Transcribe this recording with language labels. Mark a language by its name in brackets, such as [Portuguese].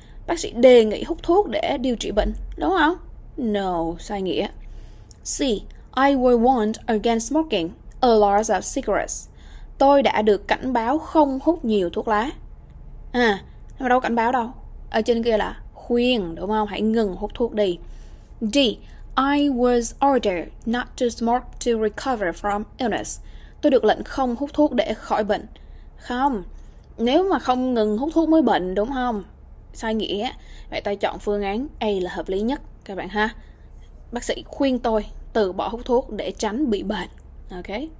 [Vietnamese] Bác sĩ đề nghị hút thuốc để điều trị bệnh, đúng không? No, sai nghĩa. C. [English] I was warned against smoking a lot of cigarettes. [Vietnamese] Tôi đã được cảnh báo không hút nhiều thuốc lá. Nhưng mà đâu có cảnh báo đâu. Ở trên kia là khuyên, đúng không? Hãy ngừng hút thuốc đi. D. [English] I was ordered not to smoke to recover from illness. [Vietnamese] Tôi được lệnh không hút thuốc để khỏi bệnh. Không. Nếu mà không ngừng hút thuốc mới bệnh, đúng không? Sai nghĩa. Vậy ta chọn phương án A là hợp lý nhất các bạn ha. Bác sĩ khuyên tôi từ bỏ hút thuốc để tránh bị bệnh. Ok.